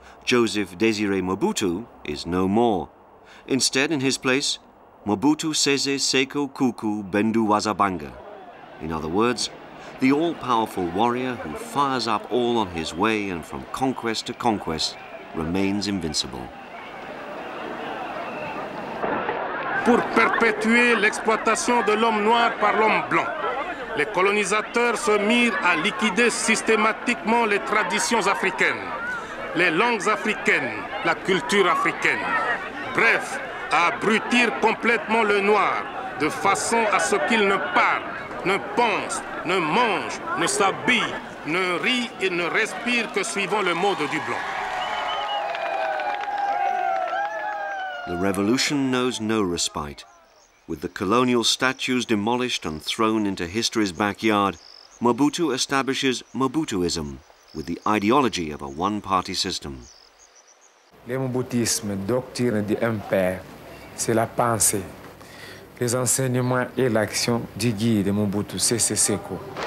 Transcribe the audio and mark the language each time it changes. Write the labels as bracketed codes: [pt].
[en] Joseph Désiré Mobutu is no more. Instead, in his place, Mobutu Sese Seko Kuku Bendu Wazabanga. In other words, the all-powerful warrior who fires up all on his way and from conquest to conquest remains invincible. [fr] Pour perpétuer l'exploitation de l'homme noir par l'homme blanc. Les colonisateurs se mirent à liquider systématiquement les traditions africaines, les langues africaines, la culture africaine. Bref, à abrutir complètement le noir, de façon à ce qu'il ne parle, ne pense, ne mange, ne s'habille, ne rit et ne respire que suivant le mode du blanc. [en] The revolution knows no respite. With the colonial statues demolished and thrown into history's backyard, Mobutu establishes Mobutuism with the ideology of a one-party system. [fr] Le Mobutisme, doctrine de l'empire, c'est la pensée, les enseignements et l'action du guide Mobutu Sese Seko.